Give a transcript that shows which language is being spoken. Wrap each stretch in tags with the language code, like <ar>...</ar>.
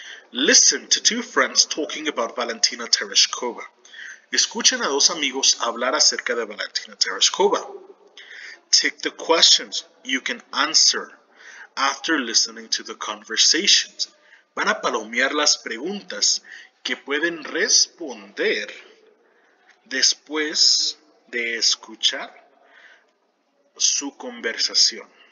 <en>Listen to two friends talking about Valentina Tereshkova.</en> <es>Escuchen a dos amigos hablar acerca de Valentina Tereshkova.</es> <en>Take the questions you can answer after listening to the conversations.</en> <es>Van a palomear las preguntas que pueden responder después de escuchar su conversación.</es>